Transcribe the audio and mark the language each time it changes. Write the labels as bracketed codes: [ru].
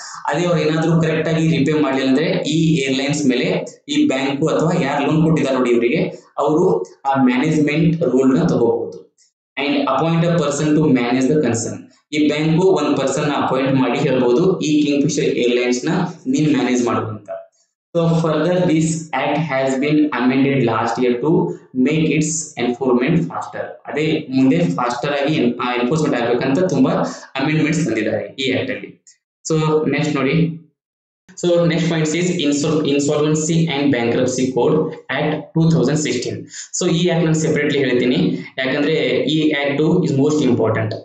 [kn] ಅದೇ ಅವ್ರು ಏನಾದ್ರೂ ಕರೆಕ್ಟ್ ಆಗಿ ರಿಪೇ ಮಾಡ್ಲಿಲ್ಲ ಅಂದ್ರೆ ಈ ಏರ್ಲೈನ್ಸ್ ಮೇಲೆ ಈ ಬ್ಯಾಂಕು ಅಥವಾ ಯಾರು ಲೋನ್ ಕೊಟ್ಟಿದ್ದಾರೆ ನೋಡಿ ಇವರಿಗೆ, ಅವರು ಆ ಮ್ಯಾನೇಜ್ಮೆಂಟ್ ರೋಲ್ ನ ತಗೋಬಹುದು. [en] And appoint a person to manage the concern. [kn] ಈ ಬ್ಯಾಂಕು ಒಂದ್ ಪರ್ಸನ್ ನ ಅಪಾಯಿಂಟ್ ಮಾಡಿ ಹೇಳ್ಬಹುದು ಈ ಕಿಂಗ್ ಫಿಶರ್ ಏರ್ಲೈನ್ಸ್ ನ ನೀನ್ ಮ್ಯಾನೇಜ್ ಮಾಡಬಹುದು. [en] So further, this act has been amended last year to make its enforcement faster. [kn] ಅದೆ ಮುಂದೆ ಫಾಸ್ಟರ್ ಆಗಿ ಎನ್ಫೋರ್ಸ್ಮೆಂಟ್ ಆಗ್ಬೇಕಂತ ತುಂಬಾ ಅಮೆಂಡ್ಮೆಂಟ್ಸ್ ತಂದಿದ್ದಾರೆ ಈ ಆಕ್ಟ್ ಅಲ್ಲಿ. ಸೊ ನೆಕ್ಸ್ಟ್ ನೋಡಿ, so next point is insolvency and bankruptcy code act 2016. So ಈ ಆಕ್ಟ್ ನಾನು ಸೆಪರೇಟ್ಲಿ ಹೇಳ್ತೀನಿ, ಯಾಕಂದ್ರೆ ಈ [en] Act is most important.